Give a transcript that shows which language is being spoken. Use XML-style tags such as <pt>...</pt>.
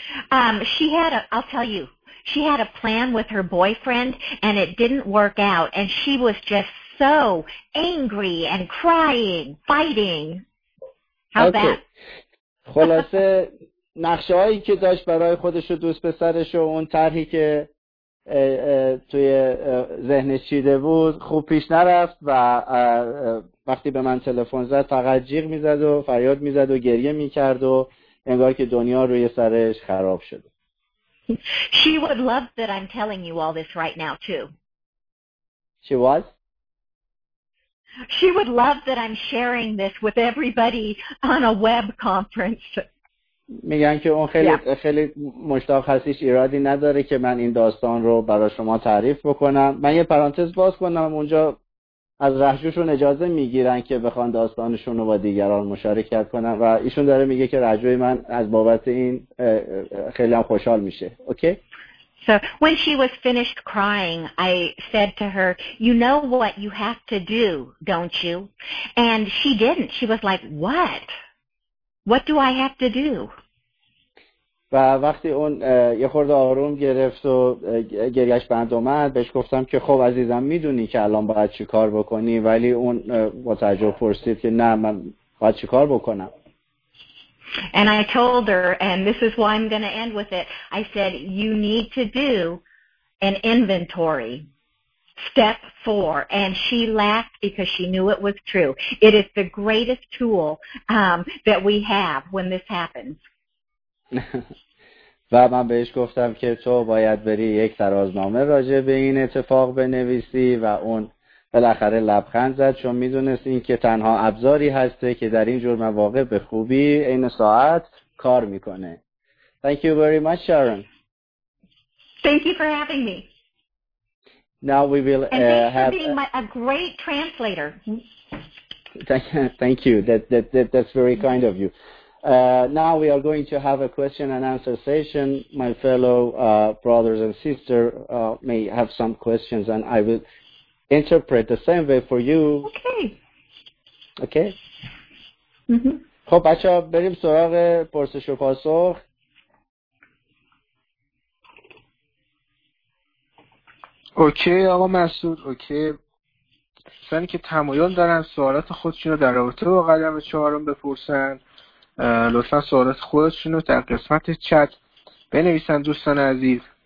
<en>I'll tell you, she had a plan with her boyfriend and it didn't work out, and she was just so angry and crying, fighting. How's okay. that?</en> <fa>خلاصه نقشه هایی که داشت برای خودش و دوست پسرش و اون طرحی که توی ذهنش چیده بود خوب پیش نرفت و وقتی به من تلفن زد فقط جیغ میزد و فریاد میزد و گریه میکرد و انگار که دنیا روی سرش خراب شده.</fa> <en>She would love that I'm telling you all this right now too. She was? She would love that I'm sharing this with everybody on a web conference.</en> <fa>میگن که اون خیلی yeah. خیلی مشتاق هستیش، ایرادی نداره که من این داستان رو برای شما تعریف بکنم. من یه پرانتز باز کنم، اونجا از رهجوشون اجازه میگیرن که بخوان داستانشون رو با دیگران مشارکت کنن و ایشون داره میگه که رهجوی من از بابت این خیلی هم خوشحال میشه. اوکی.</fa> <en>So when she was finished crying, I said to her, "You know what you have to do, don't you?" And she didn't. She was like, "What? What do I have to do?"</en> <fa>و وقتی اون یه خورده آروم گرفت و گریش بند اومد، بهش گفتم که خب عزیزم میدونی که الان باید چی کار بکنی، ولی اون با تعجب پرسید که نه من باید چی کار بکنم.</fa> <en>And I told her, and this is why I'm going to end with it, I said, you need to do an inventory, step four. And she laughed because she knew it was true. It is the greatest tool that we have when this happens.</en> <fa>و من بهش گفتم که تو باید بری یک ترازنامه راجع به این اتفاق بنویسی و اون بالاخره لبخند زد، چون میدونست این که تنها ابزاری هسته که در این جور مواقع به خوبی این ساعت کار میکنه.</fa> <en>Thank you very much, Sharon. Thank you for having me. Now we will have being a great translator. Thank you. That's very kind of you. Now we are going to have a question and answer session. My fellow brothers and sisters may have some questions, and I will interpret the same way for you. Okay. Mm-hmm.</en> <fa>خب بچه ها بریم سراغ پرسش و پاسخ. اوکی آقا مسعود. اوکی. کسانی که تمایل دارن سوالات خودشون رو در رابطه با قدم چهارم بپرسن، لطفا سوالات خودشون رو در قسمت چت بنویسن دوستان عزیز.</fa>